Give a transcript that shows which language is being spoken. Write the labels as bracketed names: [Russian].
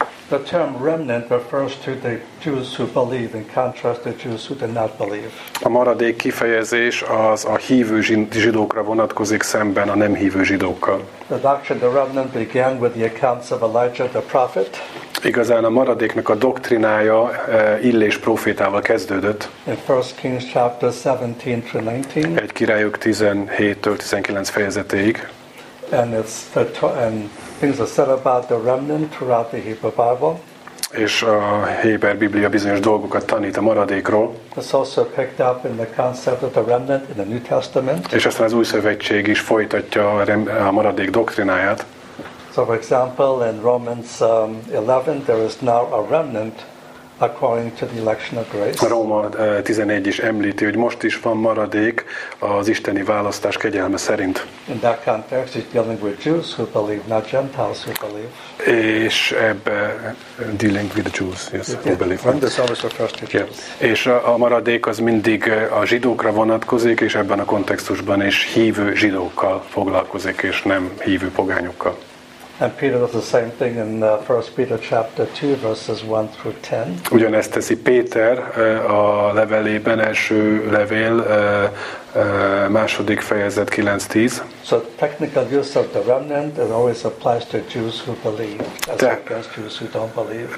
[English] The term remnant refers to the Jews who believe, in contrast to Jews who do not believe. [Hungarian] A maradék kifejezés az a hívő zsidókra vonatkozik, szemben a nem hívő zsidókkal. [English] The doctrine of the remnant began with the accounts of Elijah the prophet. [Hungarian] Igazán a maradéknak a doktrinája Illés prófétával kezdődött. [English] In 1 Kings chapter 17 to 19. [Hungarian] Egy Királyok 17-19 fejezetéig. [English] And it's and things are said about the remnant throughout the Hebrew Bible. [Hungarian] És a Héber Biblia bizonyos dolgokat tanít a maradékról. [English] It's also picked up in the concept of the remnant in the New Testament. [Hungarian] És aztán az Új Szövetség is folytatja a maradék doktrináját. [English] So for example, in Romans 11, there is now a remnant according to the election of grace. [Hungarian] Róma 11 is említi, hogy most is van maradék az isteni választás kegyelme szerint. [English] In that context, he's dealing with Jews who believe, not Gentiles who believe. [Hungarian] És ebbe [English] dealing with the Jews, yes, who believe. From the service of first Jews. Yeah. [Hungarian] És a maradék az mindig a zsidókra vonatkozik, és ebben a kontextusban is hívő zsidókkal foglalkozik, és nem hívő pogányokkal. [English] And Peter does the same thing in 1 Peter chapter 2 verses 1 through 10. [Hungarian] Ugyanezt teszi Péter a levelében, első levél második fejezet 9-10. [English] So technical use of the remnant, it always applies to Jews who believe, as against Jews who don't believe.